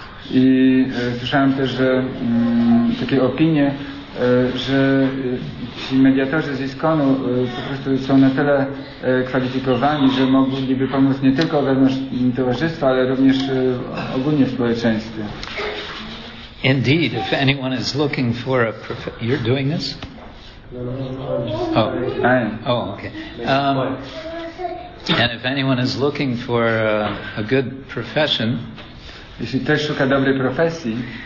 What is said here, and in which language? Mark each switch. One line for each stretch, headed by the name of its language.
Polish: I słyszałem też, że takie opinie, że ci mediatorzy z ISKCON-u po prostu są na tyle kwalifikowani, że mogliby pomóc nie tylko wewnątrz towarzystwa, ale również ogólnie w społeczeństwie.
English: Indeed, if anyone is looking for a you're doing this? Oh, okay. And if anyone is looking for a good profession,
Polish: jeśli ktoś szuka dobrej profesji,